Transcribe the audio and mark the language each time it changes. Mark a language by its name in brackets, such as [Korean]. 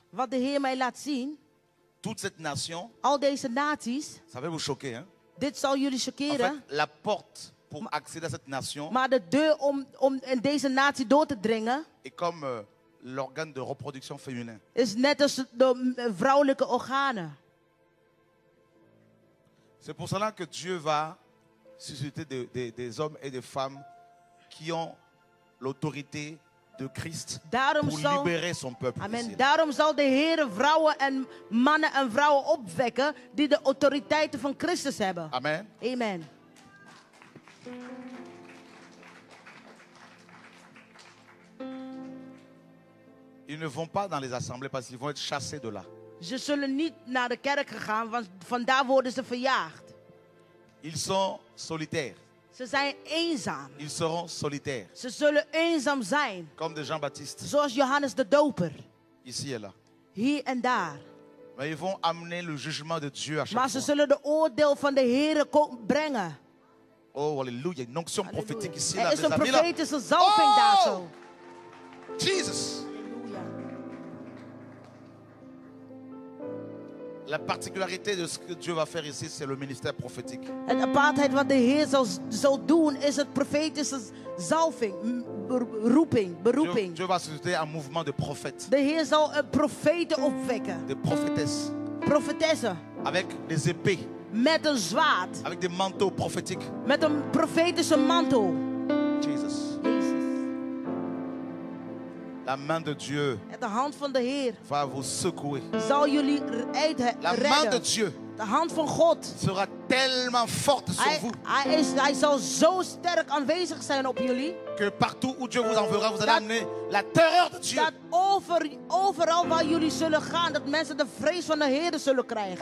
[Dutch] wat de Heer mij laat zien, [French] toute cette nation, [Dutch] al deze naties, [French] ça va vous choquer, hein? [Dutch] Dit zal jullie choqueren. [French] En fait, la porte pour accéder à cette nation, [Dutch] maar de deur om in deze natie door te dringen, [French] est comme l'organe de reproduction féminin. [Dutch] Is net als de vrouwelijke organen. [French] C'est pour cela que Dieu va susciter des hommes et des femmes qui ont l'autorité de Christ [Dutch] daarom [French] pour [Dutch] zal, [French] libérer son peuple. Amen. [Dutch] Daarom zal de Heer vrouwen en mannen en vrouwen opwekken die de autoriteiten van Christus hebben. Amen. Amen. [French] Ils ne vont pas dans les assemblées parce qu'ils vont être chassés de là. [Dutch] Ze zullen niet naar de kerk gaan, want vandaar worden ze verjaagd. [French] Ils sont solitaires. [Dutch] Ze zijn eenzaam. [French] Ils seront solitaires. [Dutch] Ze zullen eenzaam zijn. [French] Comme de Jean-Baptiste. [Dutch] Zoals Johannes de Doper. [French] Ici et là. [Dutch] Hier en daar. [French] Mais ils vont amener le jugement de Dieu à chaque [Dutch] maar [French] fois. [Dutch] Ze zullen de oordeel van de Heer brengen. [French] Oh, alléluia. Une onction prophétique ici. [Dutch] Er is een profetische zalving daar zo. Jesus. [French] La particularité de ce que Dieu va faire ici, c'est le ministère prophétique. [Dutch] En apartheid wat de Heer zal doen is het profetische zalving, beroeping. [French] Dieu va susciter un mouvement de prophètes. [Dutch] De Heer zal profeten opwekken. [French] De prophétesses. Prophétesses. Avec des épées. [Dutch] Met een zwaard. [French] Avec des manteaux prophétiques. [Dutch] Met een profetische mantel. Jesus. [French] La main de Dieu [Dutch] de hand van de Heer [French] va vous secouer. [Dutch] Zal jullie redden. [French] La main de Dieu [Dutch] de hand van God [French] sera tellement forte sur vous. [Dutch] Hij zal zo sterk aanwezig zijn op jullie. [French] Que partout où Dieu vous enverra, vous allez amener la terreur de Dieu. [Dutch] Dat overal waar jullie zullen gaan, dat mensen de vrees van de Heer zullen krijgen.